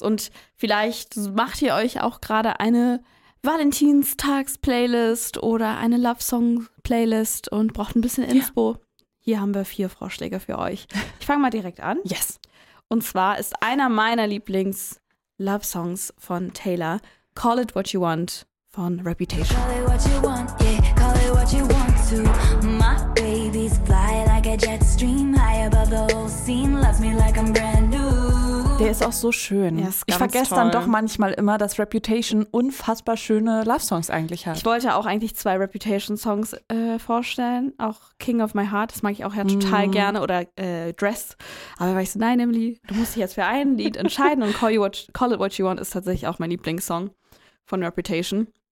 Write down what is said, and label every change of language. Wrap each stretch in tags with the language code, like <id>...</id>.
<de>Und vielleicht macht ihr euch auch gerade eine Valentinstags-Playlist oder eine Love-Song-Playlist und braucht ein bisschen Inspo. Ja. Hier haben wir 4 Vorschläge für euch. Ich fange mal direkt an.</de> <en>Yes.</en> <de>Und zwar ist einer meiner Lieblings-Love-Songs von Taylor Call It What You Want von Reputation.</de> <en>Call it what you want, yeah, call it what you want to. My babies fly like a jet stream, high above the whole scene, loves me like I'm brand new.</en> <de>Der ist auch so schön. Ja, ist ich vergesse toll. Dann doch manchmal immer, dass Reputation unfassbar schöne Love-Songs eigentlich hat. Ich wollte auch eigentlich 2 Reputation-Songs vorstellen. Auch King of My Heart, das mag ich auch ja total gerne. Oder Dress. Aber weil ich so, nein, Emily, du musst dich jetzt für ein Lied entscheiden. Und Call It What You Want ist tatsächlich auch mein Lieblingssong von Reputation.</de>